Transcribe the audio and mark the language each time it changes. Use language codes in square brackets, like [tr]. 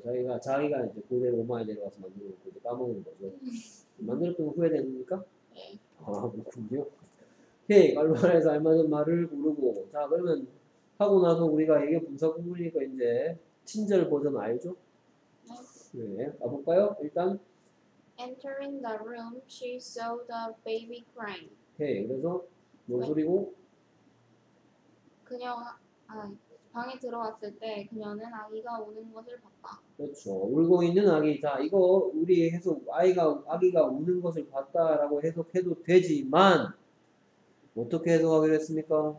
[ko] 자기가 이제 고대 로마에 내려와서 만드는 거 이제 까먹는 거죠. 만들었던 거 후회됩니까? 네. 아, 그렇군요. 오케이. 알바에서 알맞은 말을 고르고. 자, 그러면 하고 나서 우리가 이게 분석 부분이니까 이제 친절 버전 알죠? 네. 네. 가볼까요? 일단. [en] Entering the room, she saw the baby crying. [ko] 오케이. 그래서 뭔 소리고? 그녀가 방에 들어왔을 때 그녀는 아기가 우는 것을 봤다. 그렇죠. 울고 있는 아기. 자, 이거 우리 해석 아기가 우는 것을 봤다라고 해석해도 되지만 어떻게 해석하기로 했습니까?